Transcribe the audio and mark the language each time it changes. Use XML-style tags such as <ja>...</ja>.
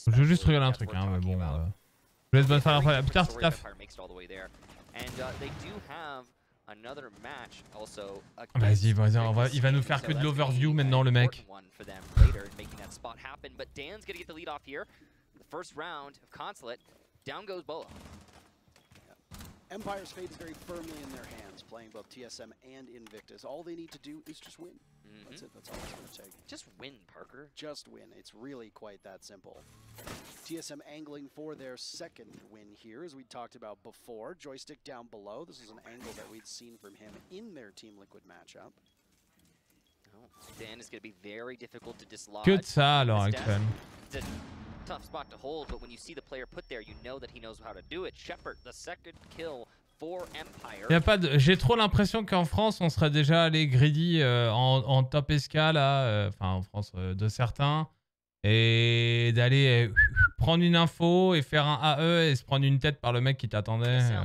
<fr>Je veux juste regarder un truc, hein, mais bon. Laisse bonne faire la petite taf.</fr> <en>And they do have another match also.</en> <fr>Vas-y, vas-y, il va nous faire que de l'overview maintenant, le mec.</fr> <en>Making that spot happen, but Dan's gonna get the lead off here. The first round of Consulate, down goes Bolo. Empire's fate is very firmly in their hands, playing both TSM and Invictus. All they need to do is just win. That's it, that's all it's gonna take. Just win, Parker. Just win, it's really quite that simple. TSM angling for their second win here, as we talked about before. Joystick down below, this is an angle that we'd seen from him in their Team Liquid matchup. Dan is gonna be very difficult to dislodge.</en> <fr>Que ça alors, Xen.</fr> <en>Tough spot to hold, but when you see the player put there, you know that he knows how to do it. Shepard, the second kill for Empire.</en> <fr>Y'a pas de... J'ai trop l'impression qu'en France, on serait déjà allé greedy en top escale, enfin en France de certains, et d'aller prendre une info et faire un AE et se prendre une tête par le mec qui t'attendait.</fr>